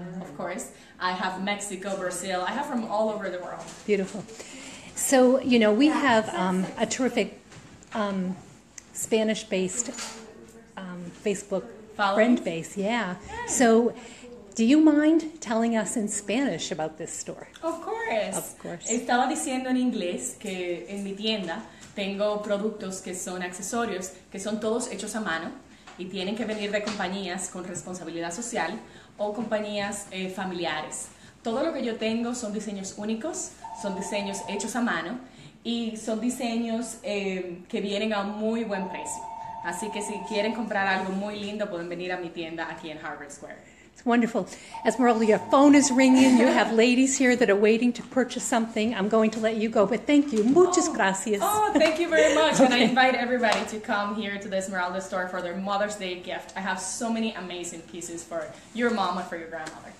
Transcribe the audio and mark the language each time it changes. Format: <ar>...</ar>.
<en>Of course, I have Mexico, Brazil. I have from all over the world. Beautiful. So, you know, we have a terrific Spanish-based Facebook following? Friend base. Yeah. Yes. So, do you mind telling us in Spanish about this store? Of course. Of course.</en> <es>Estaba diciendo en inglés que en mi tienda tengo productos que son accesorios que son todos hechos a mano y tienen que venir de compañías con responsabilidad social o compañías familiares. Todo lo que yo tengo son diseños únicos, son diseños hechos a mano y son diseños que vienen a un muy buen precio. Así que si quieren comprar algo muy lindo, pueden venir a mi tienda aquí en Harvard Square.</es> <en>It's wonderful. Esmeralda, your phone is ringing. You have ladies here that are waiting to purchase something. I'm going to let you go, but thank you.</en> <es>Muchas gracias.</es> <en>Oh, thank you very much. Okay. And I invite everybody to come here to the Esmeralda store for their Mother's Day gift. I have so many amazing pieces for your mom and for your grandmother.</en>